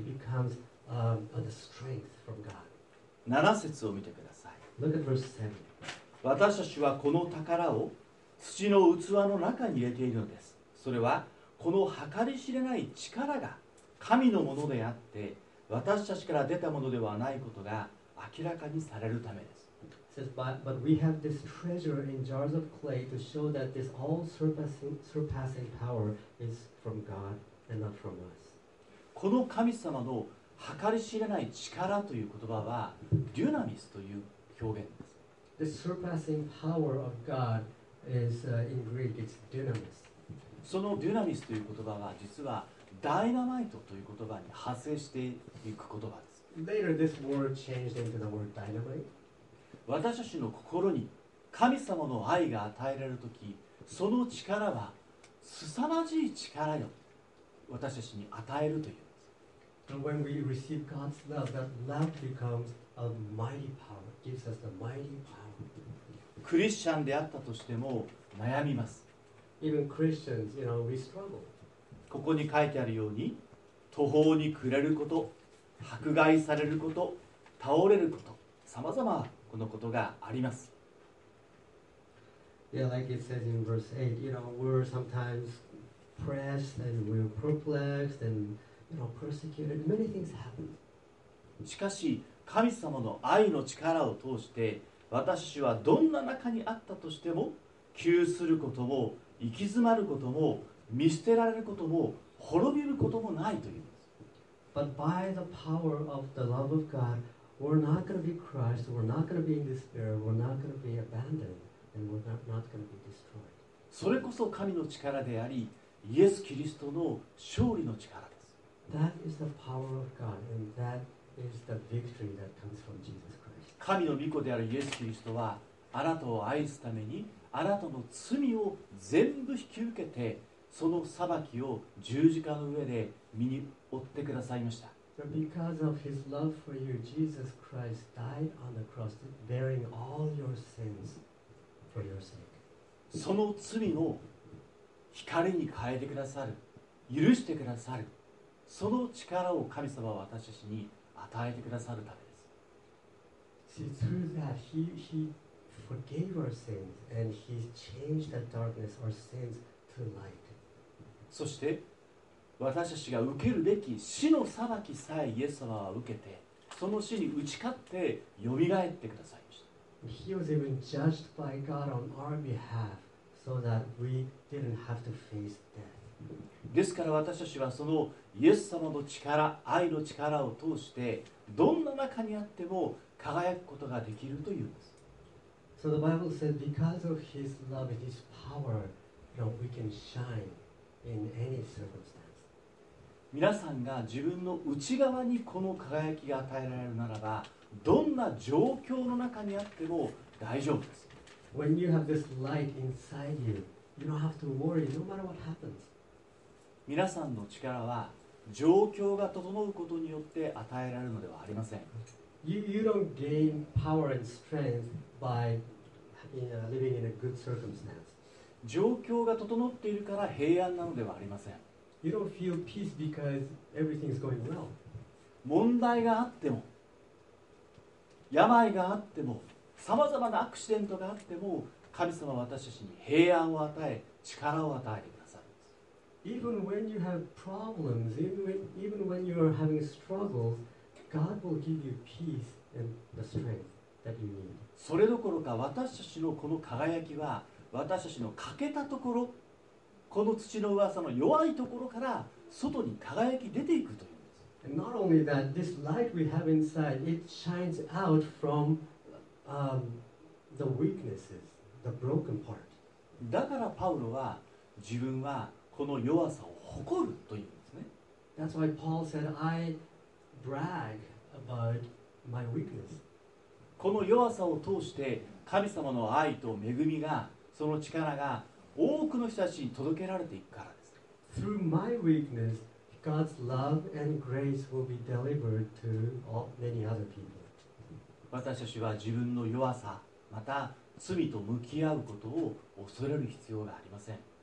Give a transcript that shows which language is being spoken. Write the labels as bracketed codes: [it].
[en] It becomes the strength from God. [ja] 7節を見てください。 [en] Look at verse 7. [ja] 私たちはこの宝を土の器の中に入れているのです。それはこの計り知れない力が神のものであって、私たちから出たものではないことが明らかにされるためです。 [en] It says, but we have this treasure in jars of clay to show that this all surpassing power is from God and not from us. [ja] この神様の計り知れない力という言葉は、デュナミスという表現です。 [en] The surpassing power of God. Is, in Greek, it's dynamis. [ja] そのデュナミスという言葉は実はダイナマイトという言葉に派生していく言葉です。 [en] Later, this word changed into the word dynamite. [ja] 私たちの心に神様の愛が与えられるとき、その力は凄まじい力を私たちに与えるというんです。 [en] And when we receive God's love, that love becomes a mighty power. It gives us the mighty power. [ja] クリスチャンであったとしても悩みます。 [en] Even Christians, you know, we struggle. [ja] ここに書いてあるように、途方に暮れること、迫害されること、倒れること、さまざまこのことがあります。 [en] Yeah, like it says in verse 8, you know, we're sometimes pressed and we're perplexed and, you know, persecuted. Many things happen. [ja] しかし、神様の愛の力を通して、私はどんな中にあったとしても、窮することも、行き詰まることも、見捨てられることも、滅びることもないというんです。 [en] But by the power of the love of God, we're not going to be crushed, we're not going to be in despair, we're not going to be abandoned, and we're not going to be destroyed. [ja] それこそ神の力であり、イエス・キリストの勝利の力です。 [en] That is the power of God, and that is the victory that comes from Jesus Christ. [ja] 神の御子であるイエス・キリストはあなたを愛すためにあなたの罪を全部引き受けてその裁きを十字架の上で身に負ってくださいました。 [en] Because of his love for you, Jesus Christ died on the cross, bearing all your sins for your sake. [ja] その罪を光に変えてくださる、許してくださる、その力を神様は私たちに与えてくださるため。 [en] See, through that, he forgave our sins and he changed the darkness, our sins, to light. [ja] そして私たちが受けるべき死の裁きさえイエス様は受けて、その死に打ち勝ってよみがえってくださいました。 [en] He was even judged by God on our behalf so that we didn't have to face death. [ja] ですから私たちはそのイエス様の力、愛の力を通して、どんな中にあっても輝くことができるというんです。 [en] So the Bible says, because of His love, His power, you know, we can shine in any circumstance. [ja] 皆さんが自分の内側にこの輝きが与えられるならば、どんな状況の中にあっても大丈夫です。 [en] When you have this light inside you, You don't have to worry, no matter what happens. [ja] 皆さんの力は状況が整うことによって与えられるのではありません。 [en] You don't gain power and strength by living in a good circumstance. [ja] 状況が整っているから平安なのではありません。 [en] You don't feel peace because everything is going well. [ja] 問題があっても、病があっても、さまざまなアクシデントがあっても、神様は私たちに平安を与え、力を与えてくださる。 [en] Even when you have problems, even when you are having struggles, God will give you peace and the strength that you need. [ja] それどころか私たちのこの輝きは、私たちの欠けたところ、この土の噂の弱いところから外に輝き出ていくという。 [en] And not only that, this light we have inside, it shines out from the weaknesses, the broken part. [ja] だからパウロは自分はこの弱さを誇るというんですね。 [en] That's why Paul said, I brag about my weakness. [ja] この弱さを通して神様の愛と恵みが、その力が多くの人たちに届けられていくからです。 [en] Through my weakness,God's love and grace will be delivered to many other people. [ja] 私たちは自分の弱さ、また罪と向き合うことを恐れる必要がありません。